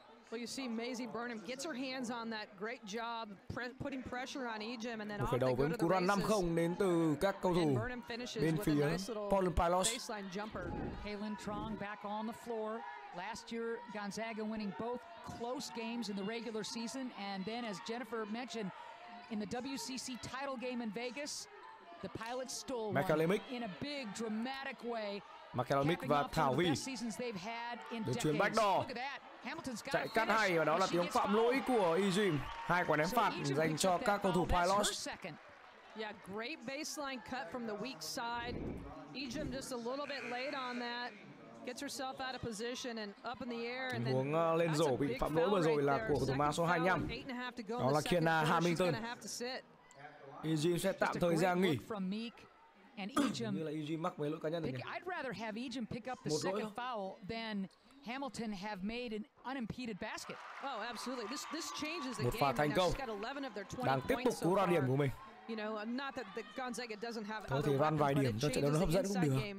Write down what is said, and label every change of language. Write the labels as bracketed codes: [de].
[en] Well, you see Maisie Burnham gets her hands on that great job putting pressure on Ejim and then off they go to the races. [vi] Một khởi đầu với 5-0 đến từ các cầu thủ bên phía Portland Pilots. [en] Kaylin Trong back on the floor. Last year Gonzaga winning both close games in the regular season and then as Jennifer mentioned in the WCC title game in Vegas, the Pilots stole McAlemic in a big dramatic way. [vi] McAlemic và Thảo Vy được chuyền backdoor, chạy cắt hay và đó là tiếng phạm lỗi của Ejim. Hai quả ném phạt dành cho các cầu thủ Pilots. [en] Yeah, great baseline cut from the weak side. Ejim just a little bit late on that, gets herself out of position and up in the air. [vi] Tình huống lên rổ bị phạm lỗi vừa rồi là của cầu thủ số 25, đó là Kiana Hamilton. Ejim sẽ tạm thời ra nghỉ. [en] And Ejim, [vi] như là Ejim mắc mấy lỗi cá nhân này. [en] I'd rather have Ejim pick up the second foul than Hamilton have made an unimpeded basket. Oh, absolutely. This changes the [vi] một Một pha thành công. Đang tiếp tục cú ra điểm của mình. [en] You know, not that the Gonzaga doesn't have [vi] thôi thì run vài điểm cho trận đấu nó hấp dẫn cũng được.